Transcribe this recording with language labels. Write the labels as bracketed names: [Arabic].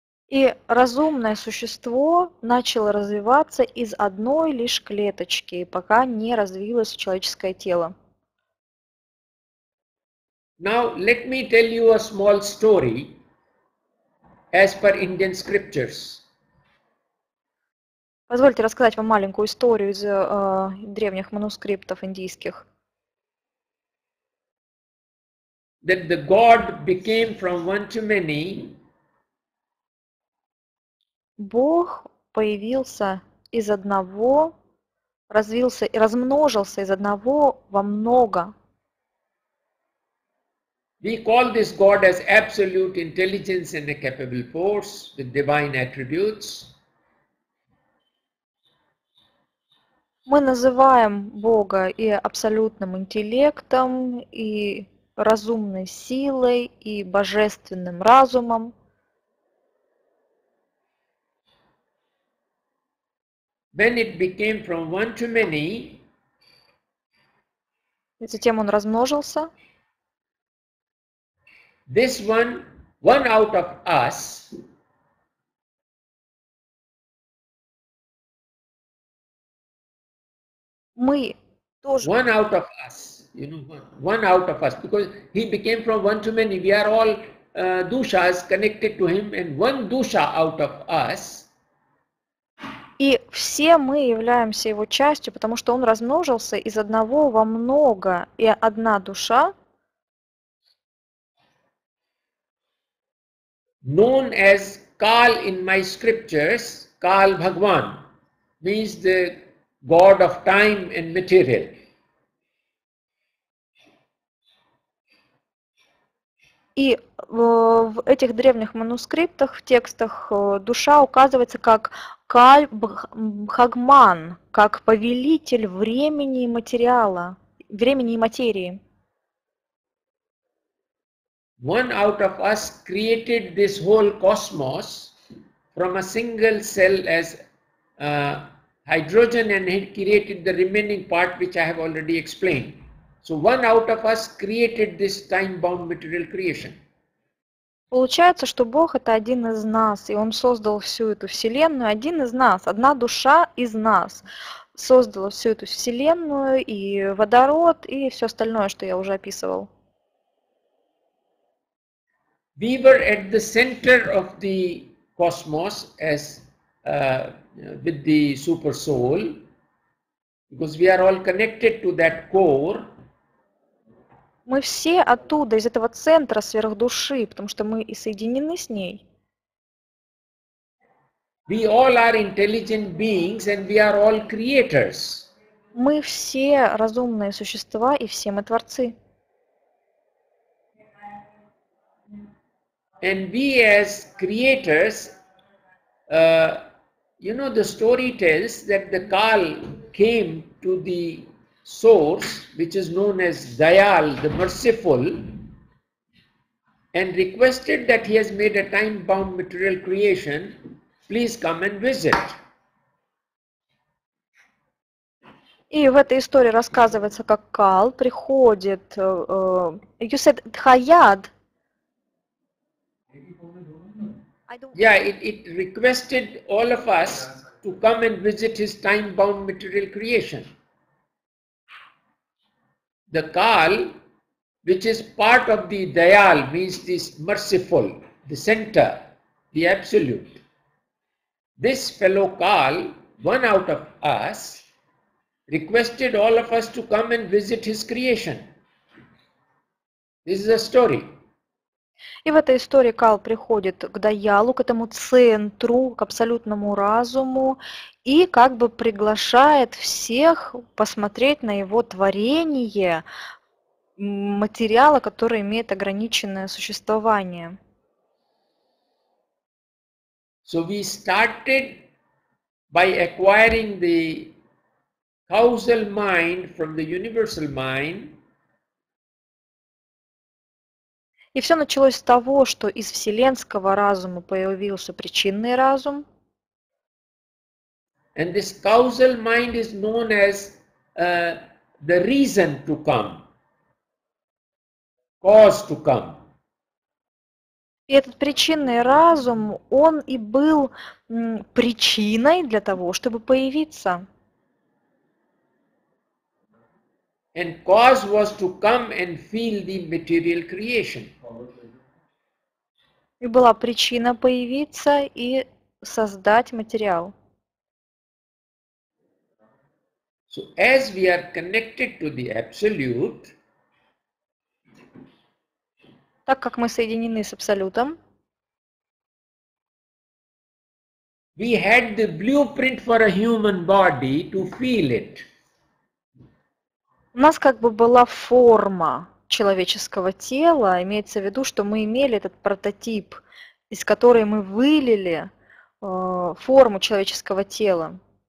[Russian] И разумное существо начало развиваться из одной лишь клеточки, пока не развилось человеческое тело. [English] Now let me tell you a small story as per Indian scriptures. [Russian] Позвольте рассказать вам маленькую историю из древних манускриптов индийских. [English] That the God became from one to many. [Russian] Бог появился из одного, развился и размножился из одного во много. [English] We call this God as absolute intelligence and a capable force with divine attributes. [Russian] Мы называем Бога и абсолютным интеллектом, и разумной силой, и божественным разумом. [English] When it became from one to many, [Russian] и затем он размножился. [English] This one out of us, [Russian] мы тоже. [English] One out of us, you know, one out of us, because he became from one to many. We are all dushas connected to him, and one dusha out of us. [Russian] И все мы являемся его частью, потому что он размножился из одного во много, и одна душа. [English] Known as Kal in my scriptures, Kal Bhagwan means the God of time and material. [Russian] И в этих древних манускриптах, в текстах, душа указывается как Кальбхагман, как повелитель времени и материала, времени и материи. [English] One out of us created this whole cosmos from a single cell as hydrogen and he created the remaining part which I have already explained. So one out of us created this time-bound material creation. [Russian] Получается, что Бог это один из нас, и Он создал всю эту вселенную, один из нас, одна душа из нас создала всю эту вселенную и водород и все остальное, что я уже описывал. [English] We were at the center of the cosmos as with the super soul, because we are all connected to that core. [Russian] Мы все оттуда, из этого центра сверхдуши, потому что мы и соединены с ней. [English] We all are intelligent beings and we are all creators. [Russian] Мы все разумные существа и все мы творцы. [English] And we as creators, you know, the story tells that the Kal came to the source, which is known as Dayal, the merciful, and requested that he has made a time-bound material creation, please come and visit. [Russian] И в этой истории рассказывается, как Кал приходит, [English] you said Dhayad. Yeah, it requested all of us to come and visit his time-bound material creation. The Kal, which is part of the Dayal, means this merciful, the center, the absolute. This fellow Kal, one out of us, requested all of us to come and visit his creation. This is a story. [Russian] И в этой истории Кал приходит к Даялу, к этому центру, к абсолютному разуму и как бы приглашает всех посмотреть на его творение, материала, который имеет ограниченное существование. [English] So we started by acquiring the causal mind from the universal mind. [Russian] И все началось с того, что из вселенского разума появился причинный разум. [English] And this causal mind is known as the reason to come, cause to come. [Russian] И этот причинный разум, он и был причиной для того, чтобы появиться. [English] And cause was to come and feel the material creation. [Russian] И была причина появиться и создать материал. [English] So as we are connected to the absolute, [Russian] так как мы соединены с абсолютом, [English] we had the blueprint for a human body to feel it. [Russian] У нас как бы была форма человеческого тела, имеется в виду, что мы имели этот прототип, из которой мы вылили форму человеческого тела.